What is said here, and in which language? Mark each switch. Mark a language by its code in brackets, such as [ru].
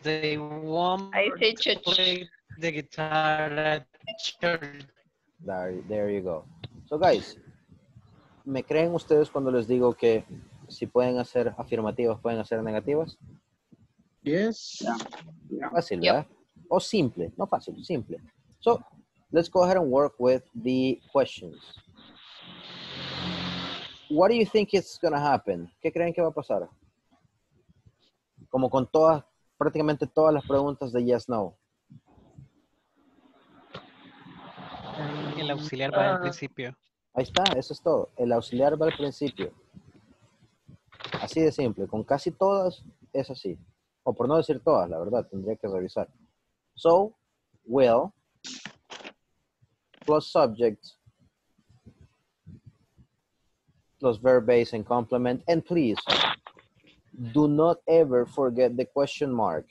[en] They won't play the guitar at church. There you go. So, guys. [es] ¿Me creen ustedes cuando les digo que si pueden hacer afirmativas, pueden hacer negativas? [en] Yes. [es] Fácil, yep. ¿Verdad? O simple. No fácil, simple. [en] So, let's go ahead and work with the questions. What do you think is going to happen? [es] ¿Qué creen que va a pasar? Como con todas, prácticamente todas las preguntas de yes, no. El auxiliar va al principio. Ahí está, eso es todo. El auxiliar va al principio. Así de simple. Con casi todas es así. O por no decir todas, la verdad, tendría que revisar. [en] So, will, plus subject, plus verb base and complement. And please, do not ever forget the question mark.